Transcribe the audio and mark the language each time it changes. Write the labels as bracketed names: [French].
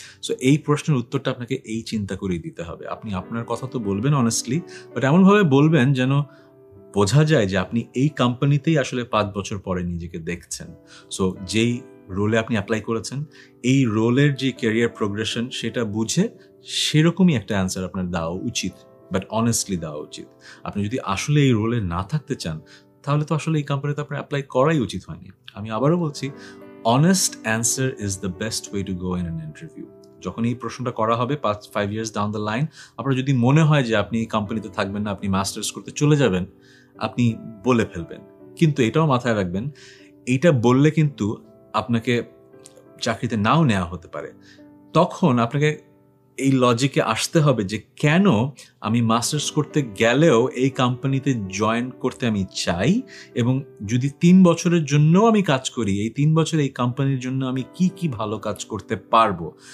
[Bangla] So এই প্রশ্নের উত্তরটা আপনাকে এই চিন্তা করেই দিতে হবে। আপনি আপনার কথা তো বলবেন অনেস্টলি, বাট এমনভাবে বলবেন যেন বোঝা যায় যে আপনি এই কোম্পানিতেই আসলে পাঁচ বছর পরে নিজেকে দেখছেন। সো যেই রোলে আপনি অ্যাপ্লাই করেছেন এই রোলের যে ক্যারিয়ার প্রোগ্রেশন সেটা বুঝে সেরকমই একটা অ্যান্সার আপনার দেওয়া উচিত, বাট অনেস্টলি দেওয়া উচিত। আপনি যদি আসলে এই রোলে না থাকতে চান তাহলে তো আসলে এই কোম্পানিতে আপনার অ্যাপ্লাই করাই উচিত হয়নি। আমি আবারও বলছি, [English] honest answer is the best way to go in an interview. [Bangla] যখন এই প্রশ্নটা করা হবে [English] 5 years down the line, [Bangla] আপনার যদি মনে হয় যে আপনি এই কোম্পানিতে থাকবেন না, আপনি মাস্টার্স করতে চলে যাবেন, আপনি বলে ফেলবেন। কিন্তু এটাও মাথায় রাখবেন, এটা বললে কিন্তু আপনাকে চাকরিতে নাও নেওয়া হতে পারে। তখন আপনাকে এই লজিকে আসতে হবে যে কেন আমি মাস্টার্স করতে গেলেও এই কোম্পানিতে জয়েন করতে আমি চাই, এবং যদি 3 বছরের জন্য আমি কাজ করি এই 3 বছরে এই কোম্পানির জন্য আমি কি কি ভালো কাজ করতে পারবো।